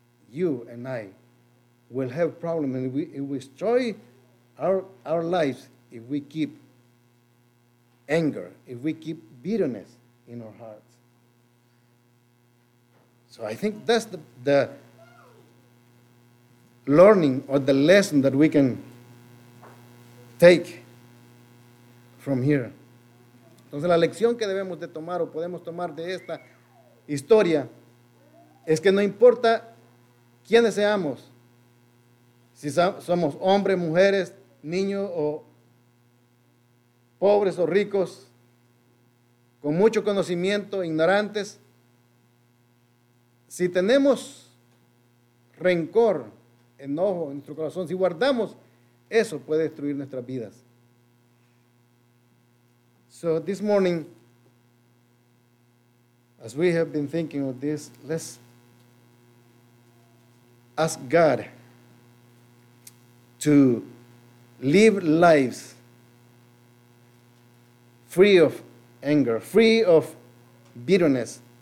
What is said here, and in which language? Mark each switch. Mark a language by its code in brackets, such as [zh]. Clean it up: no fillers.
[en] You and I will have problems, and it will destroy our lives if we keep anger, if we keep bitterness in our hearts. So I think that's the learning or the lesson that we can take from here. [es] Entonces, la lección que debemos de tomar o podemos tomar de esta historia es que no importa quiénes seamos, si somos hombres, mujeres, niños o pobres o ricos, con mucho conocimiento, ignorantes, si tenemos rencor, enojo en nuestro corazón, si guardamos, eso puede destruir nuestras vidas. [en] So this morning, as we have been thinking of this, let's ask God to live lives free of anger, free of bitterness.